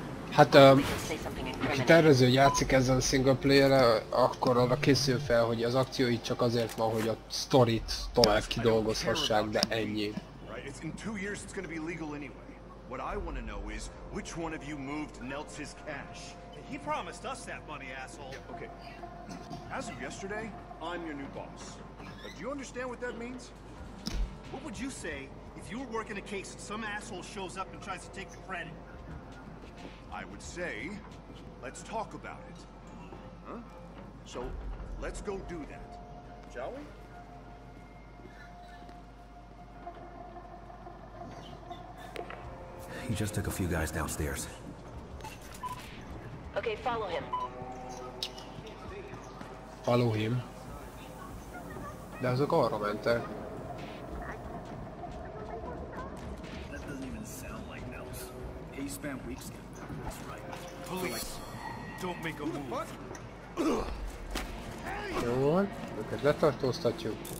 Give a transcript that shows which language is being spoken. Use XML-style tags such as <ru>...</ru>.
<hu>Hát, aki tervező játszik ezen a single player-re, akkor arra készül fel, hogy az akció itt csak azért van, hogy a sztorit tovább kidolgozhassák, de ennyi.</hu> <en>It's in 2 years it's gonna be legal anyway. What I want to know is which one of you moved Nelts's cash. He promised us that money, asshole. Yeah, okay. As of yesterday, I'm your new boss. But do you understand what that means? What would you say if you were working a case and some asshole shows up and tries to take the credit? I would say, let's talk about it. Huh? So let's go do that. Shall we? He just took a few guys downstairs. Okay, follow him. Follow him.</en> <hu>De azok arra mentek.</hu> <en>That doesn't even sound like Nels. He spent weeks getting this right. Police, don't make a move.</en> <hu>Jó van, őket letartóztatjuk.</hu>